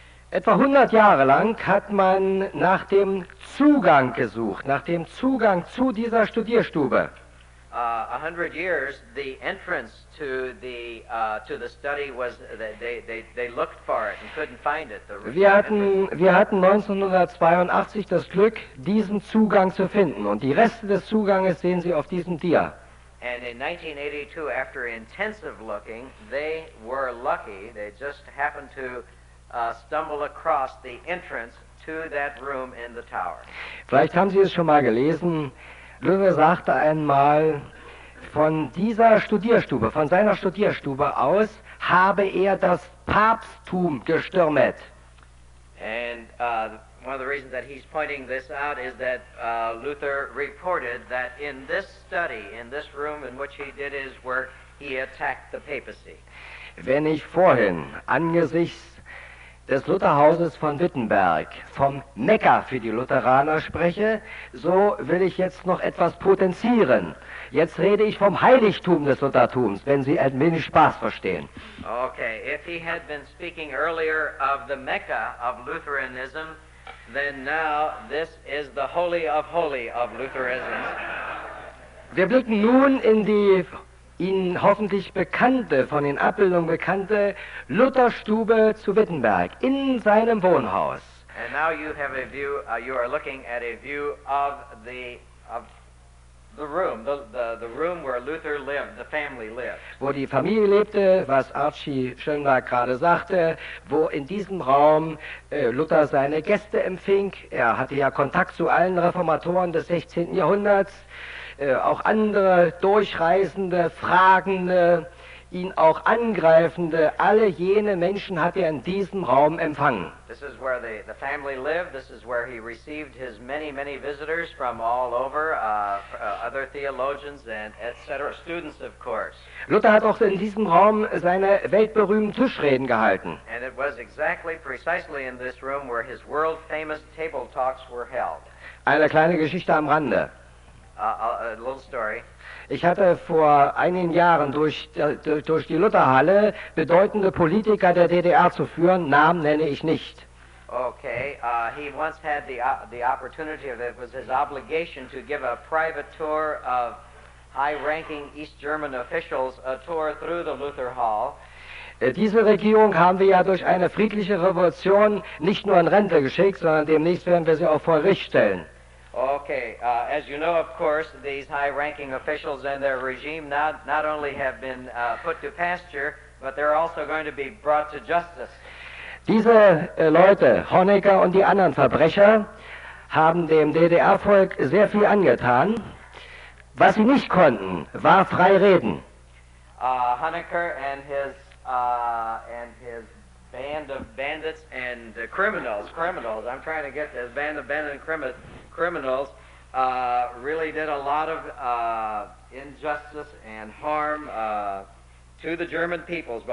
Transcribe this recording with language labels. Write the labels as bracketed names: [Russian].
[German] Etwa 100 Jahre lang hat man nach dem Zugang gesucht, nach dem Zugang zu dieser Studierstube. [English] 100 years, the entrance to the study was they looked for it and couldn't find it. [German] Wir hatten 1982 das Glück, diesen Zugang zu finden, und die Reste des Zuganges sehen Sie auf diesem Dia. [English] And in 1982, after intensive looking, they were lucky. They just happened to stumble across the entrance to that room in the tower. [German] Vielleicht haben Sie es schon mal gelesen. Luther sagte einmal, von dieser Studierstube, von seiner Studierstube aus, habe er das Papsttum gestürmet. [English] And one of the reasons that he's pointing this out is that Luther reported that in this study, in this room in which he did his work, he attacked the papacy. [German] Wenn ich vorhin angesichts des Lutherhauses von Wittenberg vom Mekka für die Lutheraner spreche, so will ich jetzt noch etwas potenzieren. Jetzt rede ich vom Heiligtum des Luthertums, wenn Sie ein wenig Spaß verstehen. [English] Okay, if he had been speaking earlier of the Mecca of Lutheranism, then now this is the Holy of Holy of Lutheranism. [German] Wir blicken nun in die Ihnen hoffentlich bekannte, von den Abbildungen bekannte Lutherstube zu Wittenberg, in seinem Wohnhaus. [English] And now you have a view, you are looking at a view of the the room where Luther lived, the family lived. [German] Wo die Familie lebte, was Archie Schönberg gerade sagte, wo in diesem Raum Luther seine Gäste empfing. Er hatte ja Kontakt zu allen Reformatoren des 16. Jahrhunderts. Auch andere Durchreisende, Fragende, ihn auch Angreifende, alle jene Menschen hat er in diesem Raum empfangen. [English] This is where the family lived. This is where he received his many, many visitors from all over, other theologians and etc., students of course. [German] Luther hat auch in diesem Raum seine weltberühmten Tischreden gehalten. [English] And it was exactly, precisely in this room where his world-famous table talks were held. [German] Eine kleine Geschichte am Rande. [English] A little story. [German] Ich hatte vor einigen Jahren durch die Lutherhalle bedeutende Politiker der DDR zu führen. Namen nenne ich nicht. [English] Okay, he once had the opportunity, or it was his obligation, to give a private tour of high-ranking East German officials, a tour through the Luther Hall. [German] Diese Regierung haben wir ja durch eine friedliche Revolution nicht nur in Rente geschickt, sondern demnächst werden wir sie auch vor Gericht stellen. [English] Okay, as you know, of course, these high-ranking officials and their regime not only have been put to pasture, but they're also going to be brought to justice. [German] Diese Leute, Honecker und die anderen Verbrecher, haben dem DDR-Volk sehr viel angetan. Was sie nicht konnten, war frei reden. [English] Honecker and his band of bandits and criminals, I'm trying to get this, band of bandits and criminals, really did a lot of injustice and harm to the German peoples.